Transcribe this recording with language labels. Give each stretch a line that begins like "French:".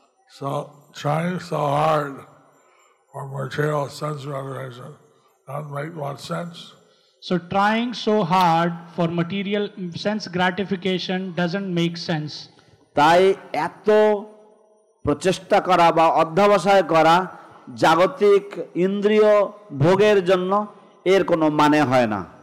English: So trying so hard for material sense gratification Doesn't make much sense. So trying so hard for material sense gratification doesn't make sense.
Bangla: তাই এত প্রচেষ্টা করা বা অধ্যবসায় করা জাগতিক ইন্দ্রিয় ভোগের জন্য এর কোনো মানে হয় না.